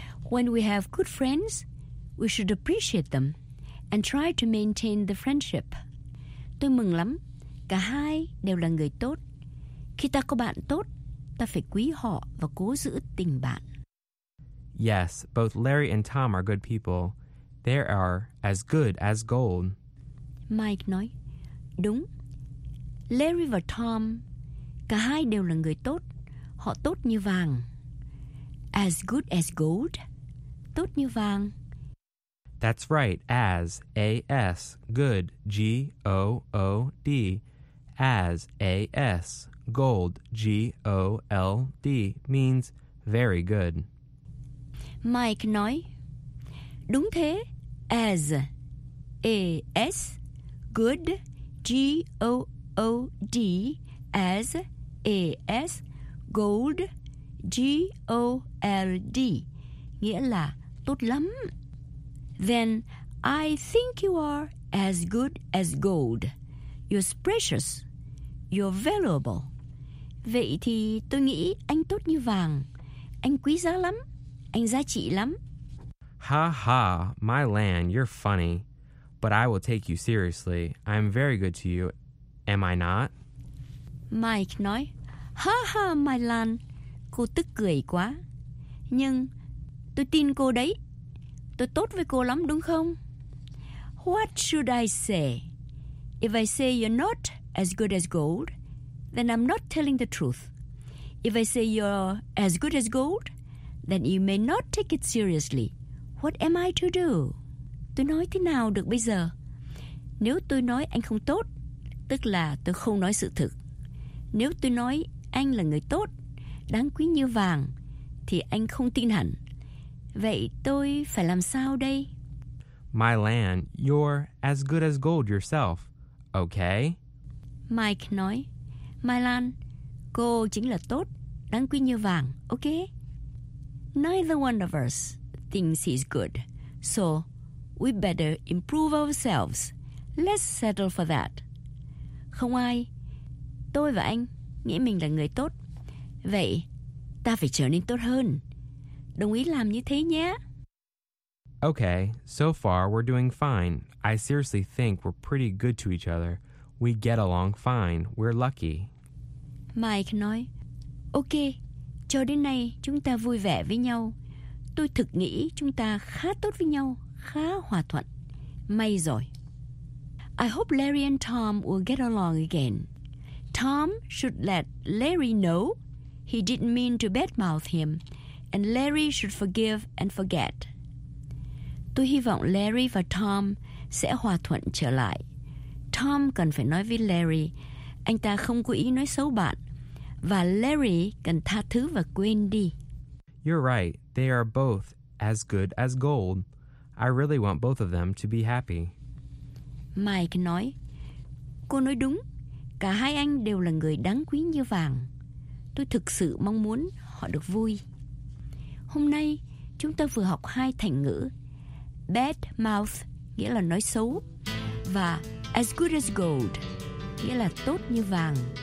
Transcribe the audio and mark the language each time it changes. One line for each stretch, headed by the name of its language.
English: When we have good friends, we should appreciate them and try to maintain the friendship.
Vietnamese: Tôi mừng lắm. Cả hai đều là người tốt. Khi ta có bạn tốt, ta phải quý họ và cố giữ tình bạn.
English: Yes, both Larry and Tom are good people. They are as good as gold.
Vietnamese: Mike nói, đúng. Larry và Tom, cả hai đều là người tốt. Họ tốt như vàng.
English: As good as gold.
Vietnamese: Tốt như vàng.
English: That's right. As, A-S, good, G-O-O-D. As, A-S, gold, G-O-L-D, means very good.
Vietnamese: Mike nói, đúng thế, as, A-S, good, G-O-O-D, as, A-S, gold, G-O-L-D, nghĩa là tốt lắm.
English: Then I think you are as good as gold. You're precious. You're valuable.
Vietnamese: Vậy thì tôi nghĩ anh tốt như vàng. Anh quý giá lắm. Anh giá trị lắm.
English: Ha ha, my land, you're funny. But I will take you seriously. I am very good to you. Am I not?
Vietnamese: Mike nói, ha ha, my land. Cô tức cười quá. Nhưng tôi tin cô đấy. Tôi tốt với cô lắm, đúng không?
English: What should I say? If I say you're not as good as gold, then I'm not telling the truth. If I say you're as good as gold, then you may not take it seriously. What am I to do?
Vietnamese: Tôi nói thế nào được bây giờ? Nếu tôi nói anh không tốt, tức là tôi không nói sự thực. Nếu tôi nói anh là người tốt, đáng quý như vàng, thì anh không tin hẳn. Vậy tôi phải làm sao đây?
English: My land, you're as good as gold yourself, okay?
Vietnamese: Mike nói, My land, cô chính là tốt, đáng quý như vàng, okay?
English: Neither one of us thinks he's good, so we better improve ourselves. Let's settle for that.
Vietnamese: Không ai, tôi và anh, nghĩ mình là người tốt. Vậy, ta phải trở nên tốt hơn. Đồng ý làm như thế nhé.
English: Okay, so far we're doing fine. I seriously think we're pretty good to each other. We get along fine. We're lucky.
Vietnamese: Mike nói, okay, cho đến nay chúng ta vui vẻ với nhau. Tôi thực nghĩ chúng ta khá tốt với nhau, khá hòa thuận. May rồi.
English: I hope Larry and Tom will get along again. Tom should let Larry know he didn't mean to badmouth him. And Larry should forgive and forget.
Vietnamese: Tôi hy vọng Larry và Tom sẽ hòa thuận trở lại. Tom cần phải nói với Larry, anh ta không cố ý nói xấu bạn. Và Larry cần tha thứ và quên đi.
English: You're right. They are both as good as gold. I really want both of them to be happy.
Vietnamese: Mike nói, cô nói đúng. Cả hai anh đều là người đáng quý như vàng. Tôi thực sự mong muốn họ được vui. Hôm nay, chúng ta vừa học hai thành ngữ. Bad mouth, nghĩa là nói xấu. Và as good as gold, nghĩa là tốt như vàng.